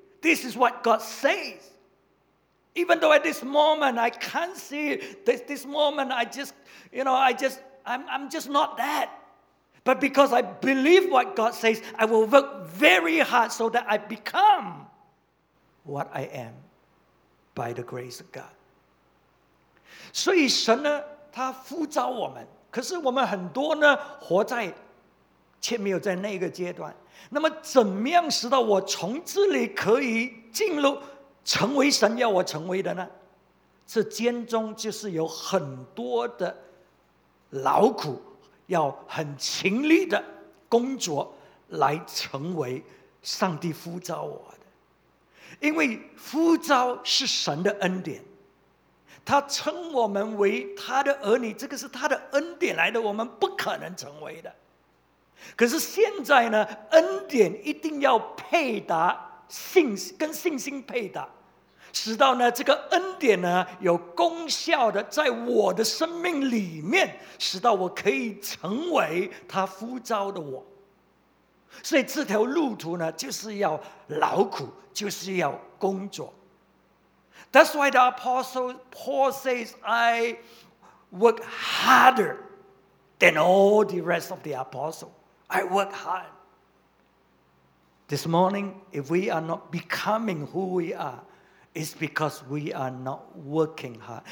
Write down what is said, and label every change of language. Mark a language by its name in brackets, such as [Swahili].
[English] This is what God says. Even though at this moment I can't see it, this moment I just, you know, I'm just not that. But because I believe what God says, I will work very hard so that I become what I am by the grace of God. [Chinese] 所以神呢，他呼召我们，可是我们很多呢，活在却没有在那个阶段。那么怎么样使到我从这里可以进入成为神要我成为的呢？这间中就是有很多的劳苦，要很勤力的工作来成为上帝呼召我的。因为呼召是神的恩典，他称我们为他的儿女，这个是他的恩典来的，我们不可能成为的。可是现在呢，恩典一定要配搭信，跟信心配搭，使到呢这个恩典呢有功效的在我的生命里面，使到我可以成为他呼召的我。所以这条路途呢就是要劳苦，就是要工作。 [English] That's why the apostle Paul says, I work harder than all the rest of the apostle. I work hard. This morning, if we are not becoming who we areIt's because we are not working hard.